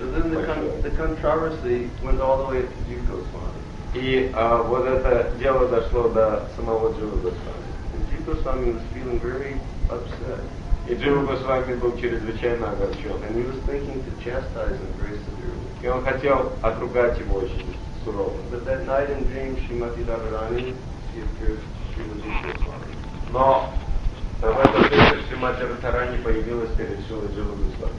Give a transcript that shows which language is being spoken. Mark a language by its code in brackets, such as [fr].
[en] So then the controversy went all the way to Jiva Goswami. [ru] И вот это дело дошло до самого Джива Госвами. [en] Goswami was feeling very upset. [ru] И Джива Госвами был чрезвычайно огорчен. [en] And he was thinking to chastise him very severely. [ru] И он хотел отругать его очень сурово. [en] But that night in dream, Shrimati Radharani, she appeared to Shiva Jiva Goswami. [ru] Но в этот вечер Шримати Радхарани появилась перед Шива Джива Госвами.